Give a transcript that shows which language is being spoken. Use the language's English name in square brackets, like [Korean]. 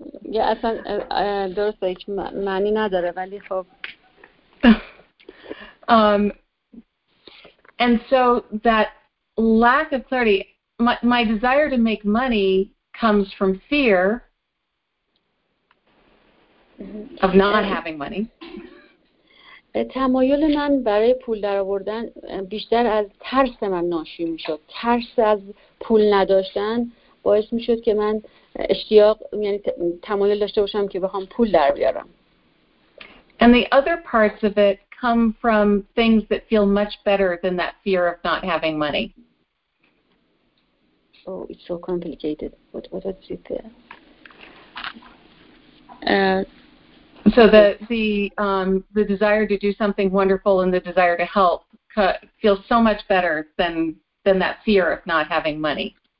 [Persian] یه اصلا درسته که معنی نداره، ولی خب [English] And so that lack of clarity, My desire to make money comes from fear of not having money. [Persian] تمایل من برای پول درآوردن بیشتر از ترس من ناشی میشد. ترس از پول نداشتن باعث میشد که من اشتیاق، یعنی تمایل داشته باشم که بخوام پول در بیارم. [English] And the other parts of it come from things that feel much better than that fear of not having money. Oh, it's so complicated. What is it there? So the desire to do something wonderful and the desire to help feels so much better than that fear of not having money.